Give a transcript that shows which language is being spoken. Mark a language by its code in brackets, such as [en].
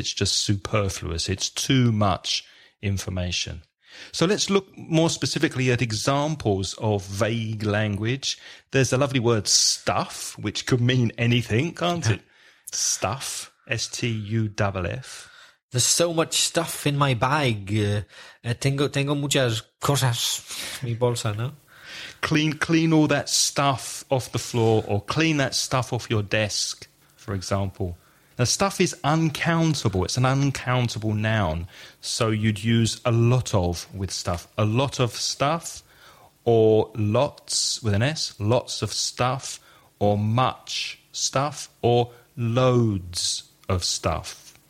[en] It's just superfluous. It's too much information. So let's look more specifically at examples of vague language. There's the lovely word stuff, which could mean anything, can't it? Stuff, S-T-U-F-F. There's so much stuff in my bag. [es] Tengo muchas cosas en mi bolsa, ¿no? [en] Clean all that stuff off the floor or clean that stuff off your desk, for example. Now, stuff is uncountable. It's an uncountable noun. So you'd use a lot of with stuff. A lot of stuff or lots with an S, lots of stuff or much stuff or loads of stuff.